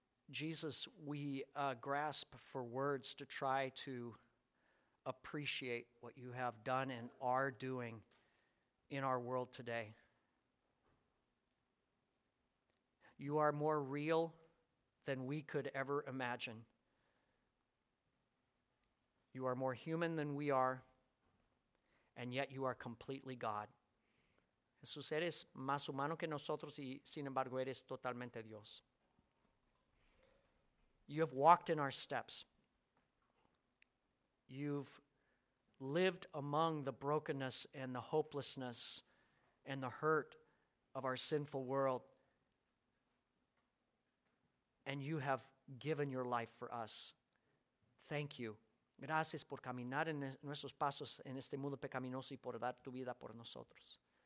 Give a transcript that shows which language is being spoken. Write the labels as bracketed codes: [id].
[en] Jesus, we grasp for words to try to appreciate what you have done and are doing in our world today. You are more real than we could ever imagine. You are more human than we are, and yet you are completely God. [es] Jesús, eres más humano que nosotros y sin embargo eres totalmente Dios. [en] You have walked in our steps. You've lived among the brokenness and the hopelessness and the hurt of our sinful world. And you have given your life for us. Thank you. [es] Gracias por caminar en nuestros pasos en este mundo pecaminoso y por dar tu vida por nosotros.